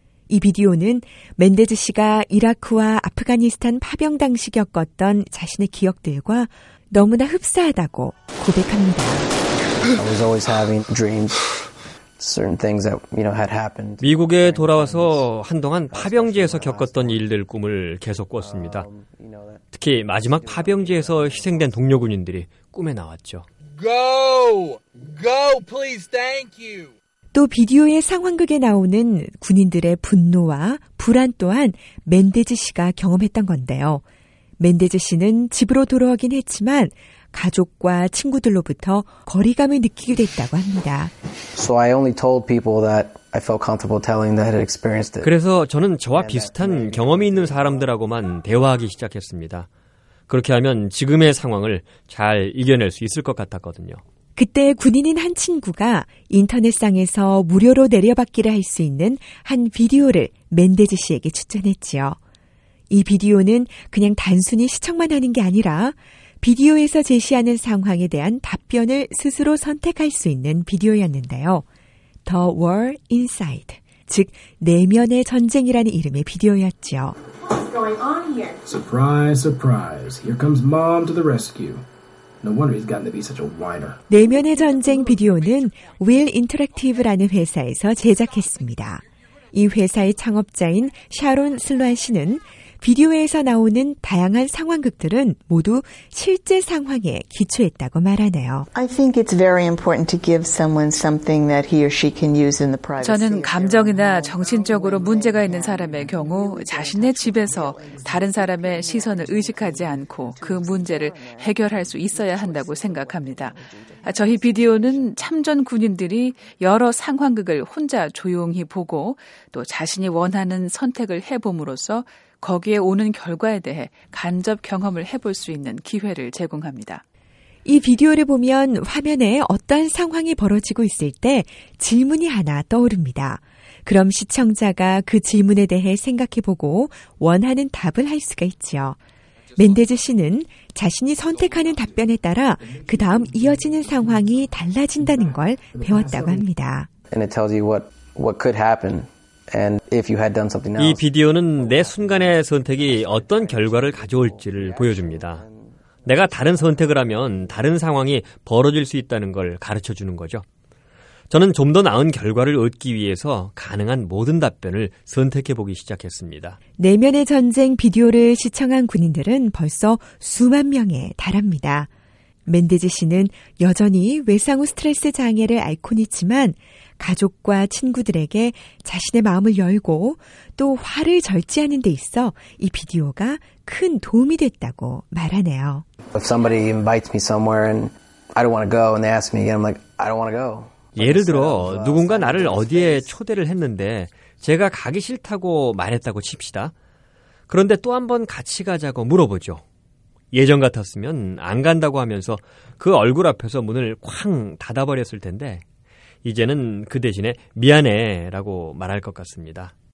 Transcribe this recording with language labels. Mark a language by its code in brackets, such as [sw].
[ko] 이 비디오는 멘데즈 씨가 이라크와 아프가니스탄 파병 당시 겪었던 자신의 기억들과 너무나 흡사하다고 고백합니다. [en] I was always having dreams. Certain things that, you know, had happened. [ko] 미국에 돌아와서 한동안 파병지에서 겪었던 일들 꿈을 계속 꿨습니다. 특히 마지막 파병지에서 희생된 동료 군인들이 꿈에 나왔죠. [en] Go! Go, please. Thank you. [ko] 또 비디오의 상황극에 나오는 군인들의 분노와 불안 또한 멘데즈 씨가 경험했던 건데요. 멘데즈 씨는 집으로 돌아오긴 했지만 가족과 친구들로부터 거리감을 느끼게 됐다고 합니다. [en] So I only told people that I felt comfortable telling that I had experienced it. [ko] 그래서 저는 저와 비슷한 경험이 있는 사람들하고만 대화하기 시작했습니다. 그렇게 하면 지금의 상황을 잘 이겨낼 수 있을 것 같았거든요. 그때 군인인 한 친구가 인터넷상에서 무료로 내려받기를 할 수 있는 한 비디오를 멘데즈 씨에게 추천했지요. 이 비디오는 그냥 단순히 시청만 하는 게 아니라 비디오에서 제시하는 상황에 대한 답변을 스스로 선택할 수 있는 비디오였는데요. The War Inside, 즉 내면의 전쟁이라는 이름의 비디오였지요. [en] What's going on here? Surprise, surprise. Here comes mom to the rescue. No wonder he's gotten to be such a whiner. [ko] 내면의 전쟁 비디오는 Will Interactive라는 회사에서 제작했습니다. 이 회사의 창업자인 샤론 슬루안 씨는 비디오에서 나오는 다양한 상황극들은 모두 실제 상황에 기초했다고 말하네요. [en] I think it's very important to give someone something that he or she can use in the privacy. [ko] 저는 감정이나 정신적으로 문제가 있는 사람의 경우 자신의 집에서 다른 사람의 시선을 의식하지 않고 그 문제를 해결할 수 있어야 한다고 생각합니다. 저희 비디오는 참전 군인들이 여러 상황극을 혼자 조용히 보고 또 자신이 원하는 선택을 해봄으로써 거기에 오는 결과에 대해 간접 경험을 해볼 수 있는 기회를 제공합니다. 이 비디오를 보면 화면에 어떤 상황이 벌어지고 있을 때 질문이 하나 떠오릅니다. 그럼 시청자가 그 질문에 대해 생각해보고 원하는 답을 할 수가 있지요. 멘데즈 씨는 자신이 선택하는 답변에 따라 그 다음 이어지는 상황이 달라진다는 걸 배웠다고 합니다. [en] And it tells you what could happen. And if you had done something else. [ko] 이 비디오는 내 순간의 선택이 어떤 결과를 가져올지를 보여줍니다. 내가 다른 선택을 하면 다른 상황이 벌어질 수 있다는 걸 가르쳐주는 거죠. 저는 좀 더 나은 결과를 얻기 위해서 가능한 모든 답변을 선택해보기 시작했습니다. 내면의 전쟁 비디오를 시청한 군인들은 벌써 수만 명에 달합니다. 멘데즈 씨는 여전히 외상후 스트레스 장애를 앓고 있지만 가족과 친구들에게 자신의 마음을 열고 또 화를 절제하는 데 있어 이 비디오가 큰 도움이 됐다고 말하네요. [en] If somebody invites me somewhere and I don't want to go and they ask me again, I'm like, I don't want to go. [ko] 예를 들어 누군가 나를 어디에 초대를 했는데 제가 가기 싫다고 말했다고 칩시다. 그런데 또 한번 같이 가자고 물어보죠. 예전 같았으면 안 간다고 하면서 그 얼굴 앞에서 문을 쾅 닫아버렸을 텐데 이제는 그 대신에 미안해 라고 말할 것 같습니다.